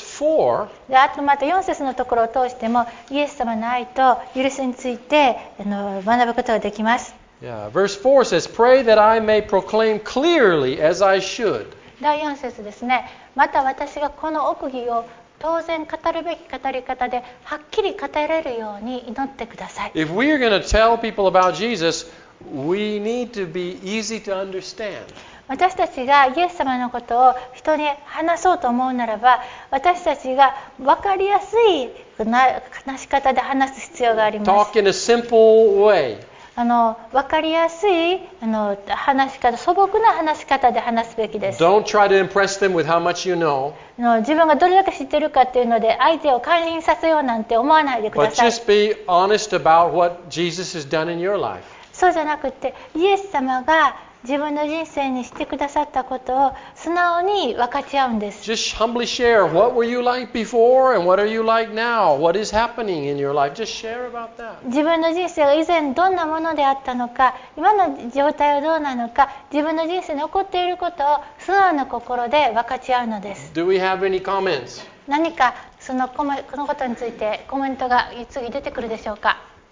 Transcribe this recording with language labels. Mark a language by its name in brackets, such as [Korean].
[Japanese] 4. あとまた4節のところを通してもイエス様の愛と許しについて学ぶことができます。 [English] Yeah. Verse 4 says, Pray that I may proclaim clearly as I should. [Japanese] 第4節ですね。また私がこの奥義を当然語るべき語り方ではっきり語れるように祈ってください。 [English] If we are going to tell people about Jesus, we need to be easy to understand. [Japanese] 私たちがイエス様のことを人に話そうと思うならば、私たちが分かりやすい話し方で話す必要があります。 [English] Talk in a simple way. [Japanese] 分かりやすい話し方、素朴な話し方で話すべきです。 [English] Don't try to impress them with how much you know. [Japanese] 自分がどれだけ知ってるかっていうので、相手を感心させようなんて思わないでください。 [English] But just be honest about what Jesus has done in your life. [Japanese] そうじゃなくて、イエス様が自分の人生にしてくださったことを素直に分かち合うんです。 [English] Just humbly share what were you like before and what are you like now? What is happening in your life? Just share about that. [Japanese] 自分の人生が以前どんなものであったのか、今の状態はどうなのか、自分の人生に起こっていることを素直な心で分かち合うのです。 [English] Do we have any comments? [Japanese] 何かそのこのことについてコメントが次出てくるでしょうか。